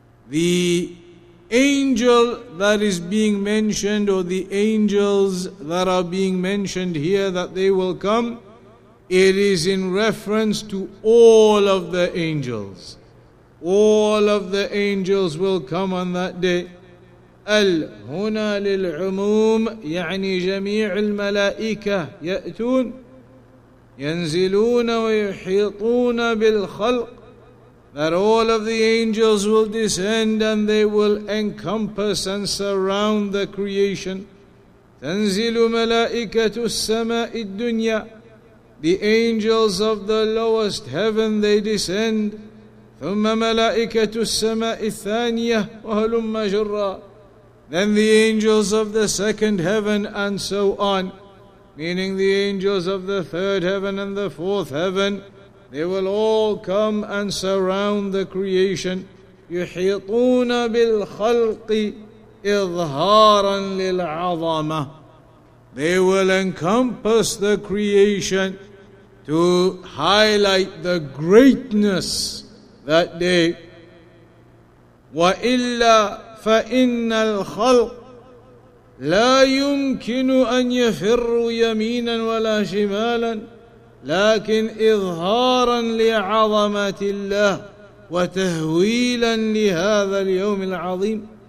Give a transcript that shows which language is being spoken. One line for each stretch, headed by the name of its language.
English: The angel that is being mentioned, or the angels that are being mentioned here, that they will come, it is in reference to all of the angels. All of the angels will come on that day.
Arabic: الهنا للعموم يعني جميع الملائكة يأتون ينزلون ويحيطون بالخلق.
English: That all of the angels will descend and they will encompass and surround the creation.
Arabic: تنزل ملائكة السماء الدنيا.
English: The angels of the lowest heaven, they descend.
Arabic: ثم ملائكة السماء الثانية وهلم جرا.
English: Then the angels of the second heaven and so on. Meaning the angels of the third heaven and the fourth heaven. They will all come and surround the creation.
Arabic: يحيطون بالخلق إظهارا للعظمة.
English: They will encompass the creation to highlight the greatness that day.
Arabic: وَإِلَّا فَإِنَّ الْخَلْقِ لَا يُمْكِنُ أَنْ يَفِرُّ يَمِينًا وَلَا شِمَالًا لَكِنْ إِظْهَارًا لِعَظَمَةِ اللَّهِ وَتَهْوِيلًا لِهَذَا الْيَوْمِ الْعَظِيمِ.